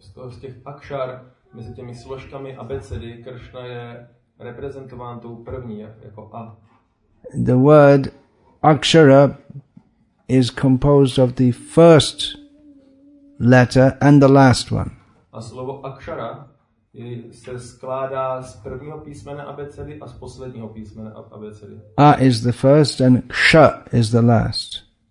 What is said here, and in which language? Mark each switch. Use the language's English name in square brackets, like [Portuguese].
[Czech] Z těch akšar, mezi těmi složkami abecedy, Krishna je reprezentován tou první, jako A. [English] The word akshara is composed of the first letter and the last one. [Czech] A slovo akshara se skládá z prvního písmene abecedy a z posledního písmene abecedy. [English] A is the first and ksha is the last.